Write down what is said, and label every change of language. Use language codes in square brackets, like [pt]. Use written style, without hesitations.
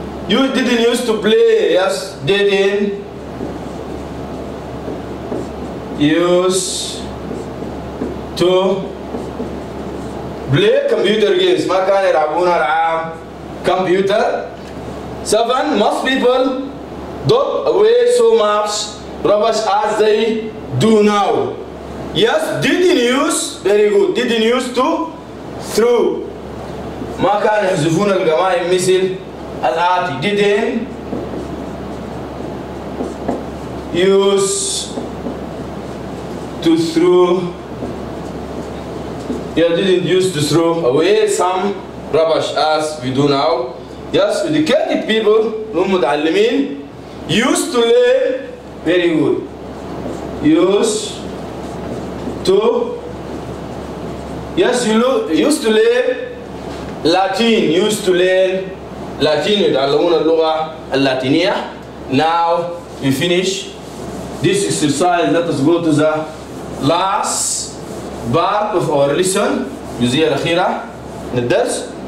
[en] You didn't used to play. Yes. Didn't. Use to play computer games. [ar] ما كان يلعبون العاب computer. [en] Seven. Most people don't away so much rubbish as they do now. Yes, didn't use. Very good. Didn't use to throw. [ar] ما كان يحذفون القمائم مثل الآتي. [en] Didn't use. To throw, yeah, didn't use to throw away some rubbish as we do now. Yes, educated people, المتعلمين, used to learn very good. Used to, yes, you look, used to learn Latin. Used to learn Latin. [ar] يتعلمون اللغة اللاتينية. [en] Now we finish this exercise. Let us go to the last part of our lesson. [ar] الجزئية الأخيرة من الدرس.